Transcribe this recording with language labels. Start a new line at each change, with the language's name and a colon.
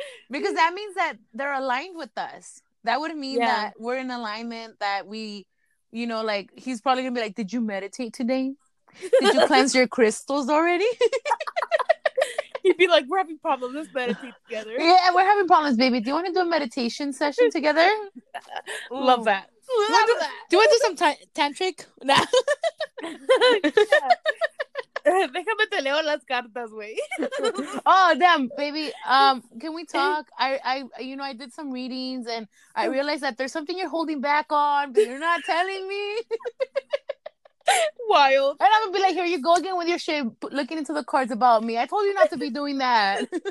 English: Because that means that they're aligned with us. That would mean that we're in alignment, that we, you know, like, he's probably gonna be like, did you meditate today? Did you cleanse your crystals already? He'd be like, we're having problems, let's meditate together. Yeah, we're having problems, baby. Do you want to do a meditation session together? Love that. Do you want to do some tantric? Nah.
Spanish: Déjame te leo las cartas, güey.
English: Oh, damn, baby. Can we talk? I you know, I did some readings and I realized that there's something you're holding back on, but you're not telling me. Wild. And I'm gonna be like, here you go again with your shit, looking into the cards about me. I told you not to be doing that.